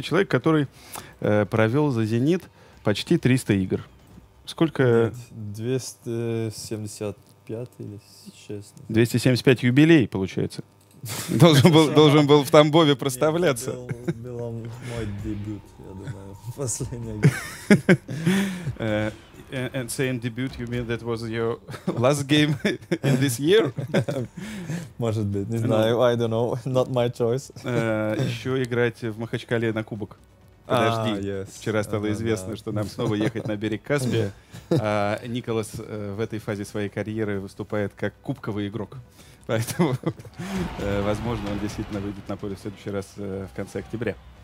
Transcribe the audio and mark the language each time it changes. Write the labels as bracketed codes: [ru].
[ru] Человек, который провел за «Зенит» почти 300 игр. Сколько? 275 юбилей, получается. Должен был в Тамбове проставляться. Был мой дебют, я думаю, последний. [en] And saying debut, you mean that was your last game in this year? [ru] Может быть, не знаю, [en] I don't know, not my choice. [ru] Еще играть в Махачкале на кубок. Подожди, вчера стало известно, что нам снова ехать на берег Каспия. А Николас в этой фазе своей карьеры выступает как кубковый игрок. Поэтому, возможно, он действительно выйдет на поле в следующий раз в конце октября.